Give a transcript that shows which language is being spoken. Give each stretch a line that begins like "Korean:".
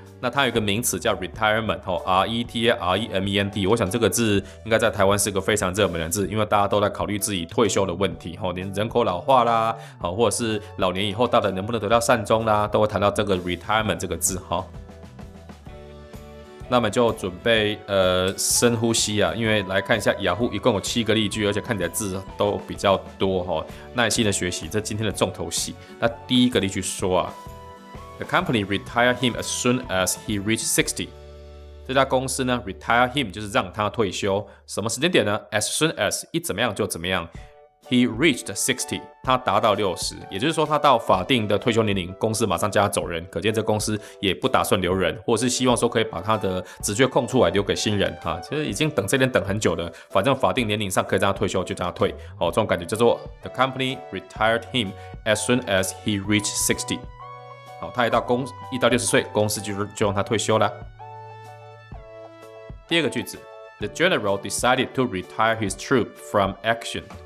Chinese: 那它有一个名词叫 retirement， R-E-T-A-R-E-M-E-N-T， 我想这个字应该在台湾是个非常热门的字，因为大家都在考虑自己退休的问题，连人口老化啦，或者是老年以后到底能不能得到善终啦，都会谈到这个 retirement 这个字。那么就准备深呼吸啊，因为来看一下 Yahoo 一共有七个例句，而且看起来字都比较多，耐心的学习这今天的重头戏。那第一个例句说啊，
English: The company retired him as soon as he reached 60.
Chinese: 这家公司呢 ，
English: retire him
Chinese: 就是让他退休。什么时间点呢 ？
English: As soon as
Chinese: 一怎么样就怎么样。
English: He reached 60，
Chinese: 他达到60，也就是说他到法定的退休年龄，公司马上叫他走人。可见这公司也不打算留人，或者是希望说可以把他的职缺空出来留给新人，其实已经等这边等很久了，反正法定年龄上可以让他退休就让他退，这种感觉叫做
English: The company retired him as soon as he reached 60。
Chinese: 他一到60岁，公司就让他退休了。第二个句子
English: ，The general decided to retire his troop from action。